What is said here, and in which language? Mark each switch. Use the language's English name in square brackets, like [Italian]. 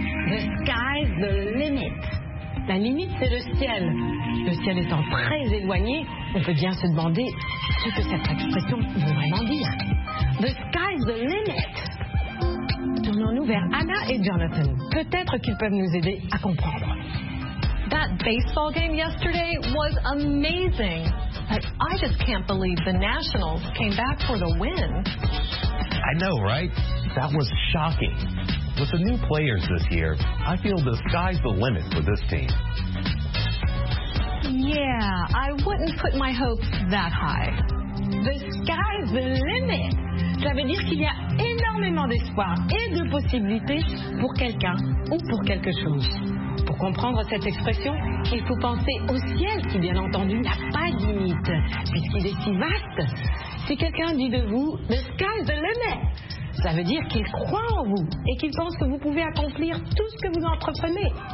[English] The sky's the limit. [French] La limite, c'est le ciel. Le ciel étant très éloigné, on peut bien se demander ce que cette expression veut vraiment dire. [English] The sky's the limit. [French] Tournons-nous vers Anna et Jonathan. Peut-être qu'ils peuvent nous aider à comprendre. [English] That baseball game yesterday was amazing. I just can't believe the Nationals came back for the win. I know, right? That was shocking. With the new players this year, I feel the sky's the limit for this team. Yeah, I wouldn't put my hopes that high. The sky's the limit. [French] Ça veut dire qu'il y a énormément d'espoir et de possibilités pour quelqu'un ou pour quelque chose. Pour comprendre cette expression, il faut penser au ciel qui, bien entendu, n'a pas de limite, puisqu'il est si vaste. Si quelqu'un dit de vous, [English] the sky's the limit, [French] ça veut dire qu'il croit en vous et qu'il pense que vous pouvez accomplir tout ce que vous entreprenez.